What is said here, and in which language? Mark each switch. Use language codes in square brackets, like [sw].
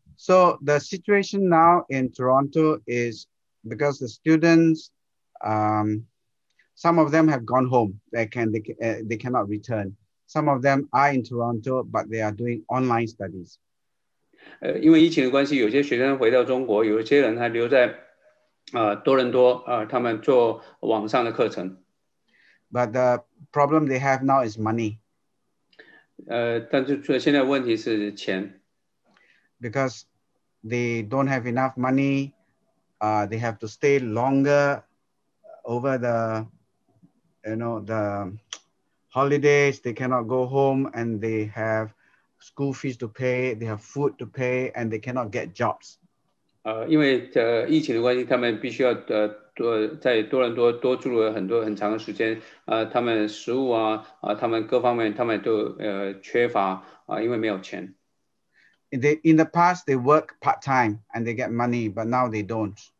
[en] So the situation now in Toronto is because the students, Some of them have gone home. They cannot return. Some of them are in Toronto, but they are doing online studies. [zh] 因为疫情的关系，有些学生回到中国，有些人还留在多伦多他们做网上的课程。 [en] But the problem they have now is money. [zh] 但是现在问题是钱。 [en] Because they don't have enough money, they have to stay longer over the, you know, the holidays. They cannot go home, and they have school fees to pay. They have food to pay, and they cannot get jobs. [zh] 因为疫情的关系，他们必须要在多伦多多住了很多很长的时间。他们食物他们各方面他们都缺乏因为没有钱。 [en] In the past, they work part-time and they get money, but now they don't.